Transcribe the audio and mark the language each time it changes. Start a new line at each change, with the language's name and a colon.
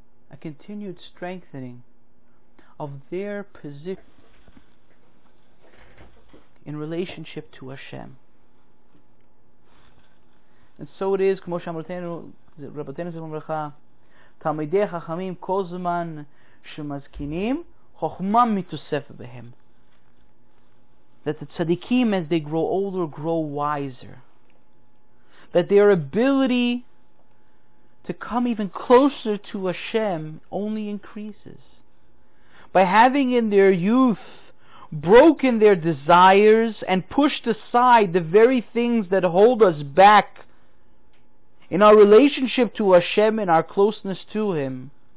English: A continued strengthening of their position in relationship to Hashem. And so it is,
Hebrew: כמו שאמרתנו, רבותינו זכרונם לברכה, תלמידי חכמים כל זמן שמזקינים, חוכמה מתוספת בהם.
English: That the tzaddikim, as they grow older, grow wiser. That their ability to come even closer to Hashem only increases. By having in their youth broken their desires and pushed aside the very things that hold us back in our relationship to Hashem and our closeness to Him,